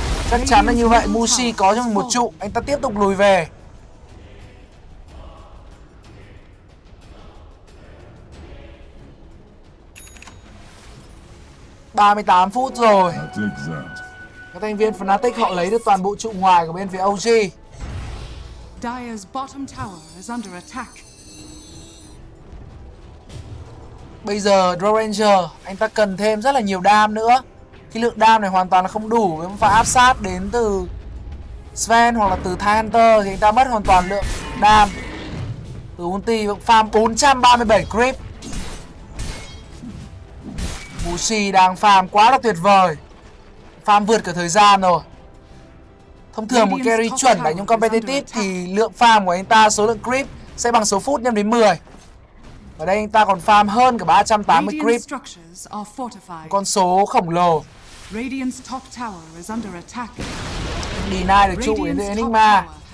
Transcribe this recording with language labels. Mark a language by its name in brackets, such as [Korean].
[Vietnamese] Chắc chắn là như vậy, Mushi có cho mình một trụ, anh ta tiếp tục lùi về. Ba mươi tám phút rồi, các thành viên Fnatic họ lấy được toàn bộ trụ ngoài của bên phía OG. [English] Dire's bottom tower is under attack. [Vietnamese] Bây giờ Draw Ranger anh ta cần thêm rất là nhiều đam nữa, cái lượng đam này hoàn toàn là không đủ với pha áp sát đến từ Sven hoặc là từ Tyhunter thì anh ta mất hoàn toàn lượng đam từ ulti. Farm 437 creep. Mushi đang farm quá là tuyệt vời. Farm vượt cả thời gian rồi. Thông thường một carry chuẩn đánh trong competitive thì lượng farm của anh ta, số lượng creep sẽ bằng số phút nhân đến 10. Ở đây anh ta còn farm hơn cả 380 creep. Con số khổng lồ. [English] Radiant's top tower is under attack. [Vietnamese] Deny được trụ đến Enigma.